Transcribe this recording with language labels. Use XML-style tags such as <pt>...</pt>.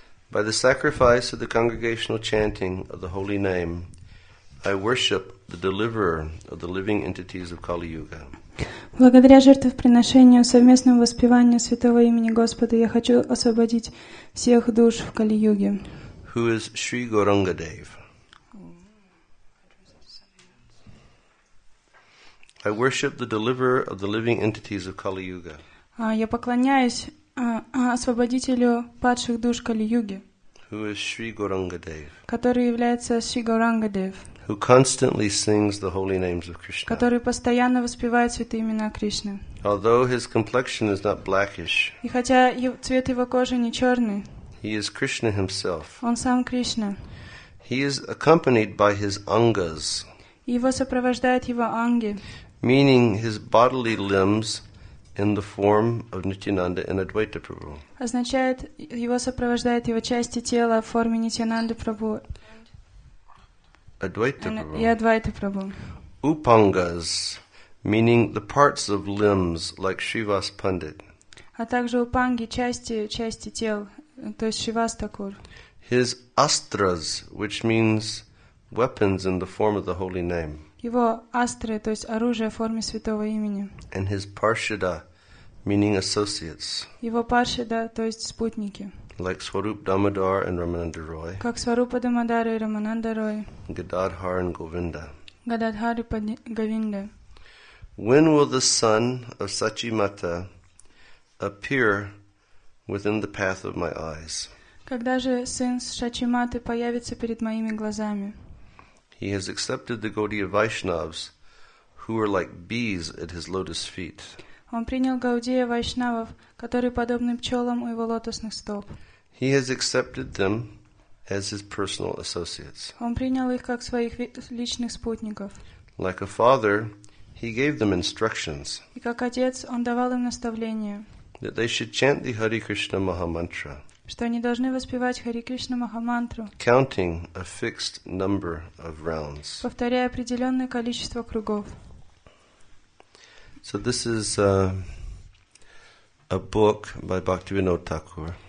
<en>By the sacrifice of the congregational chanting of the holy name, I worship the deliverer of the living entities of Kali Yuga.</en> <ru>Благодаря жертвоприношению, совместному воспеванию святого имени Господа, я хочу освободить всех душ в Кали-Юге.</ru> <en>Who is Sri Gauranga Dev? I worship the deliverer of the living entities of Kali Yuga.</en> <ru>Я поклоняюсь освободителю падших душ Kali Yuga.</ru> <en>Who is Sri Gauranga Dev?</en> <ru>Который является Sri Gauranga Dev.</ru> <en>Who constantly sings the holy names of Krishna.</en> <ru>Который постоянно воспевает святые имена Кришны.</ru> <en>Although his complexion is not blackish.</en> <ru>И хотя цвет его кожи не черный.</ru> <en>He is Krishna himself.</en> <ru>Он сам Кришна.</ru> <en>He is accompanied by his angas.</en> <ru>Его сопровождают его анги.</ru> <en>Meaning his bodily limbs in the form of Nityananda and Advaita Prabhu.</en> <ru>Означает, его сопровождают его части тела в форме Нитьянанды Прабху.</ru> <en>Advaita Prabhu. Upangas, meaning the parts of limbs like Shrivas Pandit.</en> <ru>А также упанги, части тел, то есть Шривас Такур.</ru> <en>His astras, which means weapons in the form of the holy name.</en> <ru>Его астры, то есть оружие в форме святого имени.</ru> <en>And his parshada, meaning associates.</en> <ru>Его паршида, то есть спутники.</ru> <en>Like Swarup Damodar and Ramananda Roy.</en> <ru>Как Сварупа Дамодара и Рамананда Рой.</ru> <en>Гададхар and Govinda.</en> <ru>Гададхар и Говинда.</ru> <en>When will the son of Sachi Mata appear within the path of my eyes?</en> <ru>Когда же сын Сачи Маты появится перед моими глазами?</ru> <en>He has accepted the Gaudiya Vaishnavas, who are like bees at his lotus feet.</en> <ru>Он принял Гаудия Вайшнавов, которые подобны пчелам у его лотосных стоп.</ru> <en>He has accepted them as his personal associates.</en> <ru>Он принял их как своих личных спутников.</ru> <en>Like a father, he gave them instructions.</en> <ru>И как отец, он давал им наставления.</ru> <en>That they should chant the Hare Krishna Mahamantra.</en> <ru>Что они должны воспевать Хари Кришна Махамантру.</ru> <en>Counting a fixed number of rounds.</en> <ru>Повторяя определенное количество кругов.</ru> <en>So this is a book by Bhaktivinoda Thakur.</en>